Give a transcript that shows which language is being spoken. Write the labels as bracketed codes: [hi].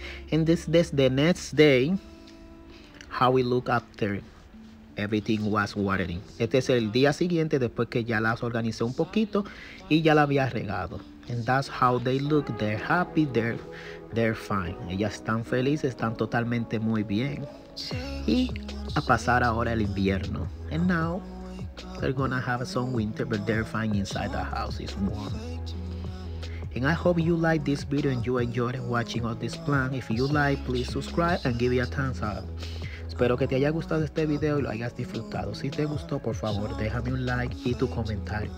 [en] And this the next day, how we look after everything was watering. [es] Este es el día siguiente después que ya las organicé un poquito y ya la había regado. [en] And that's how they look. They're happy. They're fine. [es] Ellas están felices. Están totalmente muy bien. Y a pasar ahora el invierno. [en] And now they're gonna have some winter, but they're fine inside the house. It's warm. And I hope you like this video and you enjoyed watching all this plant. If you like, please subscribe and give it a thumbs up. [es] Espero que te haya gustado este video y lo hayas disfrutado. Si te gustó, por favor, déjame un like y tu comentario.